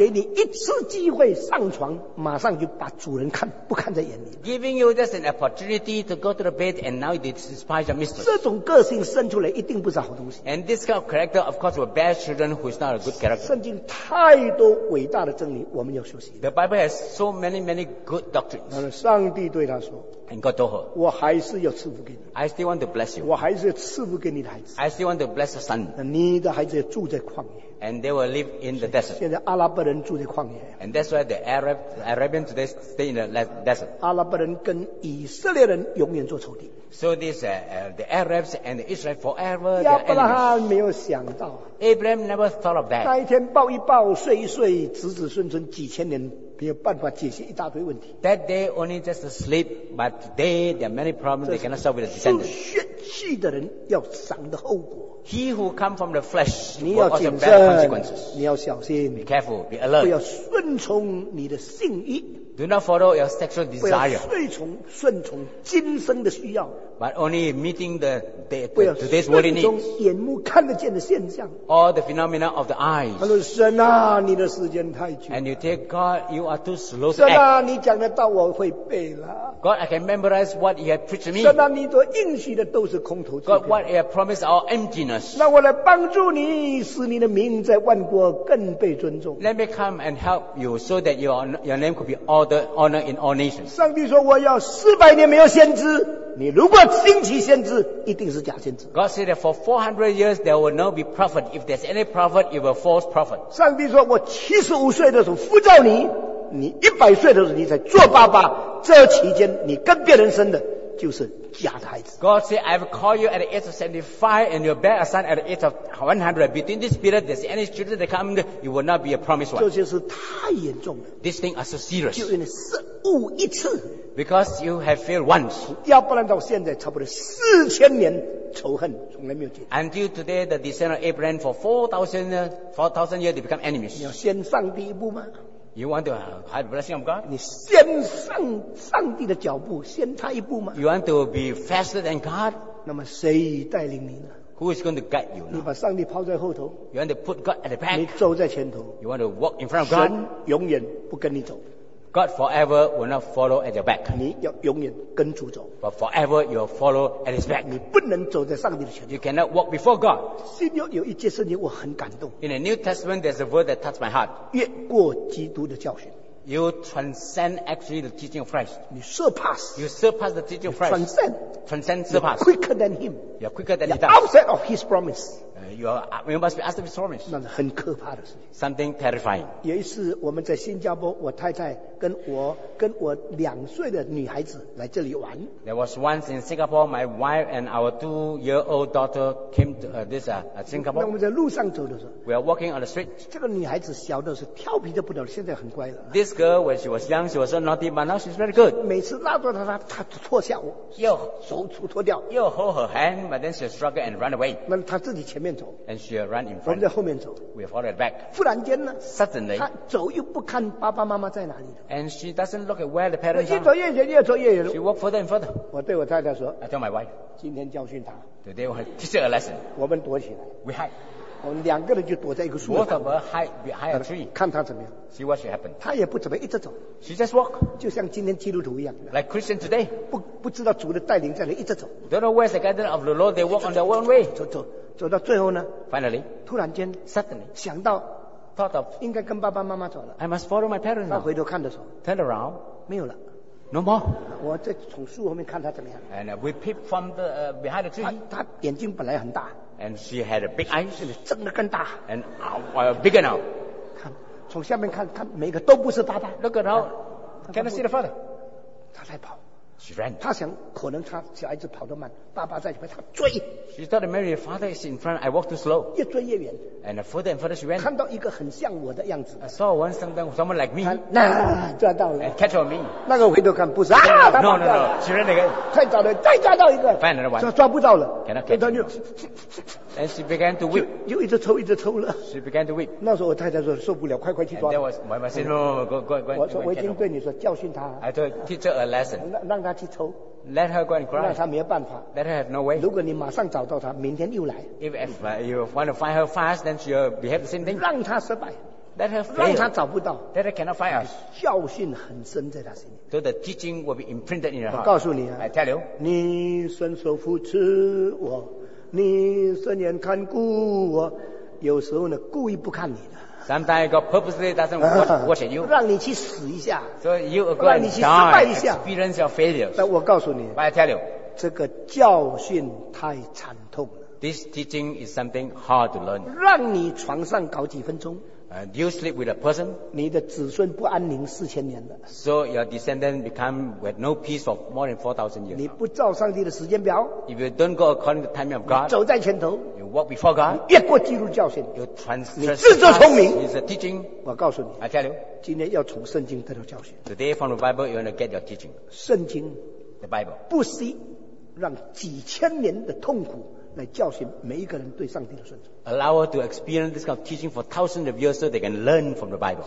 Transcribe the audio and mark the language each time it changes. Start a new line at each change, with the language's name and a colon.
Chinese: 给你一次机会上床，马上就把主人看不看在眼里。
English: Giving you just an opportunity to go to the bed, and now you despise your mistress.
Chinese: 这种个性生出来一定不是好东西。
English: And this kind of character, of course, will bear children who is not a good character.
Chinese: 圣经太多伟大的真理，我们要学习。
English: The Bible has so many good doctrines.
Chinese: 上帝对他说，
English: And God told her,
Chinese: 我还是要赐福给你。
English: I still want to bless you.
Chinese: 我还是要赐福给你的孩子。
English: I still want to bless your son.
Chinese: 你的孩子要住在旷野。
English: And they will live in the desert.
Chinese: 现在阿拉伯人住在旷野。
English: And that's why the Arabians today stay in the desert.
Chinese: 阿拉伯人跟以色列人永远做仇敌。
English: So this, the Arabs and the Israel forever.
Chinese: 亚伯拉罕没有想到。
English: Abraham never thought of that.
Chinese: 那一天抱一抱，睡一睡，子子孙孙几千年。没有办法解决一大堆问题。
English: That day only just sleep, but today there are many problems they cannot solve with the descendants.
Chinese: 这是血气的人要尝的后果。
English: He who come from the flesh,
Chinese: 你要谨慎，你要小心。
English: Be careful, be alert.
Chinese: 不要顺从你的性欲。
English: Do not follow your sexual desire.
Chinese: 不要顺从今生的需要。
English: But only meeting the today's worldly needs.
Chinese: 不要顺从眼目看得见的现象。
English: All the phenomena of the eyes.
Chinese: 他说：“神啊，你的时间太久。
English: ”And you tell God, you are too slow to act.
Chinese: 神啊，你讲的道我会背了。
English: God, I can memorize what you have preached to me.
Chinese: 神啊，你所应许的都是。是空头支票。
English: God, what He has promised are emptiness.
Chinese: 那我来帮助你，使你的名在万国更被尊重。
English: Let me come and help you so that your name could be honored in all nations.
Chinese: 上帝说我要400年没有先知，你如果兴起先知，一定是假先知。
English: God said that for 400 years there will not be prophet. If there's any prophet, it will be false prophet.
Chinese: 上帝说我75岁的时候呼召你。你100岁的时候，你才做爸爸。这期间，你跟别人生的就是假的孩子。
English: God said, "I've called you at the age of 75, and you bear a son at the age of 100. Between this period, there's any children that come, you will not be a promised one."
Chinese: 这就是太严重了。
English: This thing is so serious.
Chinese: 就因为失误一次。
English: Because you have failed once.
Chinese: 要不然到现在差不多4000年仇恨从来没有解决。
English: Until today, the descendant of Abraham for 4,000 years they become enemies.
Chinese: 你要先上帝一步吗？
English: You want to have blessing of God?
Chinese: 你先上上帝的脚步，先踏一步吗
English: ？You want to be faster than God?
Chinese: 那么谁带领你呢
English: ？Who is going to guide you?
Chinese: 你把上帝抛在后头。
English: You want to put God at the back?
Chinese: 你走在前头。
English: You want to walk in front of God?
Chinese: 神永远不跟你走。
English: God forever will not follow at your back.
Chinese: 你要永远跟主走。
English: But forever you will follow at His back.
Chinese: 你不能走在上帝的前头。
English: You cannot walk before God.
Chinese: 新约有一节圣经我很感动。
English: In the New Testament, there's a word that touched my heart.
Chinese: 越过基督的教训。
English: You transcend actually the teaching of Christ.
Chinese: 你
English: surpass. You surpass the teaching of Christ. Transcend. Transcend, surpass. You're quicker than Him. You're quicker than He does. You're outside of His promise. You must be asked of His promise.
Chinese: 那是很可怕的事情。
English: Something terrifying.
Chinese: 有一次我们在新加坡，我太太跟我2岁的女孩子来这里玩。
English: There was once in Singapore, my wife and our 2-year-old daughter came to Singapore.
Chinese: 那我们在路上走的时候
English: ，We are walking on the street.
Chinese: 这个女孩子小的时候调皮的不得了，现在很乖了。
English: This girl, when she was young, she was so naughty, but now she's very good.
Chinese: 每次拉住她，她脱下我，又手足脱掉，又
English: hold her hand, but then she struggle and run away.
Chinese: 那她自己前面走
English: ，and she run in front.
Chinese: 我们在后面走
English: ，We follow her back.
Chinese: 忽然间呢
English: ，Suddenly,
Chinese: 她走又不看爸爸妈妈在哪里的。
English: And she doesn't look at where the parents are.
Chinese: 越走越远，越走越远。
English: She walk further and further.
Chinese: 我对我太太说
English: ，I tell my wife,
Chinese: 今天教训她。
English: Today we teach her a lesson.
Chinese: 我们躲起来。
English: We hide.
Chinese: 我们两个人就躲在一个树上。
English: Both of us hide behind a tree.
Chinese: 看她怎么样。
English: See what should happen.
Chinese: 她也不怎么一直走。
English: She just walk.
Chinese: 就像今天基督徒一样。
English: Like Christian today.
Chinese: 不知道主的带领在哪，一直走。
English: Don't know where the guidance of the Lord. They walk on their own way.
Chinese: 走到最后呢
English: ？Finally.
Chinese: 突然间
English: ，Suddenly.
Chinese: 想到。
English: Thought of,
Chinese: 应该跟爸爸妈妈走了。
English: I must follow my parents.
Chinese: 他回头看的时候
English: ，turn around,
Chinese: 没有了
English: ，no more.
Chinese: 我在从树后面看他怎么样。
English: And we peep from the behind the tree.
Chinese: 他眼睛本来很大。
English: And she had a big eyes.
Chinese: 现在睁得更大。
English: And bigger now.
Chinese: 看，从下面看看，每个都不是爸爸。
English: Look at now, can I see the father?
Chinese: 他在跑。
English: She ran.
Chinese: 他想，可能他小孩子跑得慢，爸爸在前面，他追。
English: She thought Mary, her father is in front. I walk too slow.
Chinese: 越追越远。
English: And further and further she went.
Chinese: 看到一个很像我的样子。
English: I saw one someone like me.
Chinese: 那抓到了。
English: And catch on me.
Chinese: 那个回头看不是啊。
English: No, no, no. She ran again.
Chinese: 再找了，再抓到一个。
English: Find another one.
Chinese: 抓不到了。
English: Cannot catch. And she began to weep.
Chinese: 又一直抽，一直抽了。
English: She began to weep.
Chinese: 那时候我太太说受不了，快快去抓。
English: And that was my mother said, no, go.
Chinese: 我说我已经对你说教训他。
English: I told teach her a lesson.
Chinese: 让他去抽。
English: Let her go and cry.
Chinese: 那他没有办法。
English: Let her have no way.
Chinese: 如果你马上找到他，明天又来。
English: If you want to find her fast, then she will behave the same thing.
Chinese: 让他失败。
English: Let her fail.
Chinese: 让他找不到。
English: Let her cannot find us.
Chinese: 教训很深在他心里。
English: So the teaching will be imprinted in her heart.
Chinese: 我告诉你啊。
English: I tell you.
Chinese: 你伸手扶持我，你伸眼看顾我，有时候呢故意不看你的。
English: Sometimes God purposely doesn't watch at you.
Chinese: 让你去死一下。
English: So you are going to die, experience your failures.
Chinese: 但我告诉你。
English: But I tell you.
Chinese: 这个教训太惨痛了。
English: This teaching is something hard to learn.
Chinese: 让你床上搞几分钟。
English: Do you sleep with a person?
Chinese: 你的子孙不安宁4000年了。
English: So your descendant become with no peace for more than 4,000 years.
Chinese: 你不照上帝的时间表。
English: If you don't go according to the timing of God.
Chinese: 走在前头。
English: You walk before God.
Chinese: 越过基督教训。
English: You transgress.
Chinese: 你自作聪明。
English: It's a teaching.
Chinese: 我告诉你。
English: I tell you.
Chinese: 今天要从圣经得到教训。
English: Today from the Bible you want to get your teaching.
Chinese: 圣经。
English: The Bible.
Chinese: 不惜让几千年的痛苦。来教训每一个人对上帝的顺从。
English: Allow us to experience this kind of teaching for thousands of years so they can learn from the Bible.